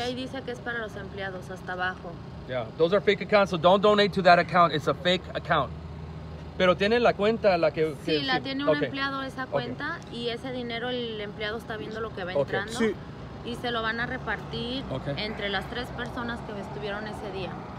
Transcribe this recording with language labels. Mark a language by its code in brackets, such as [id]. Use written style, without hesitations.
[es] Y ahí dice que es para los empleados, hasta abajo. [en] Yeah, those are fake accounts, so don't donate to that account, it's a fake account. [es] Pero tiene la cuenta la que... Sí, la tiene un empleado esa cuenta y ese dinero el empleado está viendo lo que va entrando y se lo van a repartir entre las tres personas que estuvieron ese día.